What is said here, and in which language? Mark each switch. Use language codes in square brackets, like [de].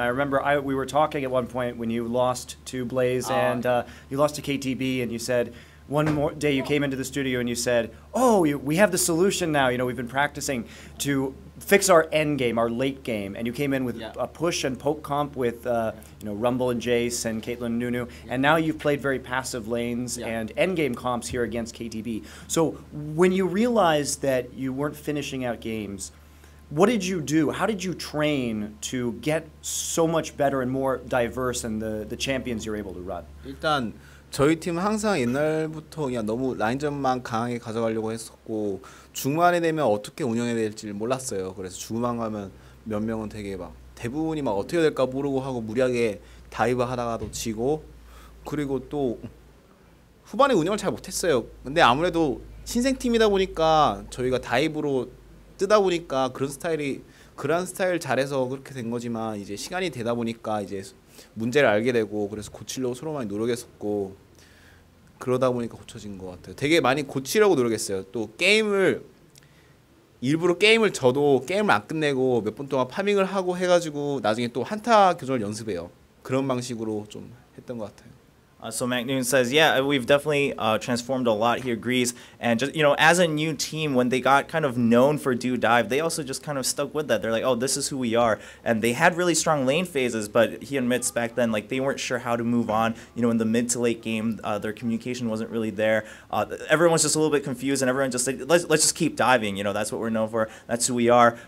[en] I remember we were talking at one point when you lost to Blaze, and you lost to KTB, and you said, one more day you came into the studio and you said, oh, we have the solution now, you know, we've been practicing to fix our end game, our late game, and you came in with a push and poke comp with you know, Rumble and Jace and Caitlyn Nunu, and now you've played very passive lanes and end game comps here against KTB. So when you realized that you weren't finishing out games, what did you do? How did you train to get so much better and more diverse in the champions you're able to run? [ko] 일단 저희 팀 항상 옛날부터 그냥 너무 라인전만 강하게 가져가려고 했었고 중반에 되면 어떻게 운영해야 될지 몰랐어요. 그래서 중반 가면 몇 명은 되게 막 대부분이 막 어떻게 될까 모르고 하고 무리하게 다이브 하다가도 지고, 그리고 또 후반에 운영을 잘 못했어요. 근데 아무래도 신생팀이다 보니까 저희가 다이브로 뜨다 보니까 그런 스타일이, 그런 스타일 잘해서 그렇게 된 거지만 이제 시간이 되다 보니까 이제 문제를 알게 되고 그래서 고치려고 서로 많이 노력했었고 그러다 보니까 고쳐진 것 같아요. 되게 많이 고치려고 노력했어요. 또 게임을 일부러 게임을 저도 게임을 안 끝내고 몇 번 동안 파밍을 하고 해가지고 나중에 또 한타 교전을 연습해요. 그런 방식으로 좀 했던 것 같아요. [en] So Mac Noon says, yeah, we've definitely transformed a lot here, Grease. And just, you know, as a new team, when they got kind of known for do dive, they also just kind of stuck with that. They're like, oh, this is who we are. And they had really strong lane phases, but he admits back then, like, they weren't sure how to move on. You know, in the mid to late game, their communication wasn't really there. Everyone's just a little bit confused, and everyone just said, let's just keep diving. You know, that's what we're known for. That's who we are.